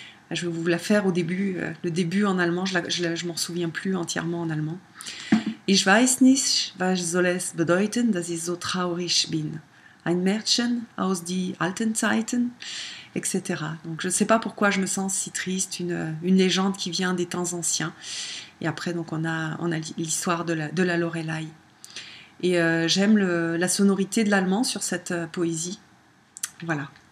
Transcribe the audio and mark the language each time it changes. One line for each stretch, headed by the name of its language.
French: Je vais vous la faire au début, le début en allemand, je m'en souviens plus entièrement en allemand.
German: Ich weiß nicht, was soll es bedeuten, dass ich so traurig bin. Ein Märchen aus die alten Zeiten, etc.
French: Donc, je ne sais pas pourquoi je me sens si triste, une légende qui vient des temps anciens. Et après, donc, on a l'histoire de la Lorelei. J'aime la sonorité de l'allemand sur cette poésie. Voilà.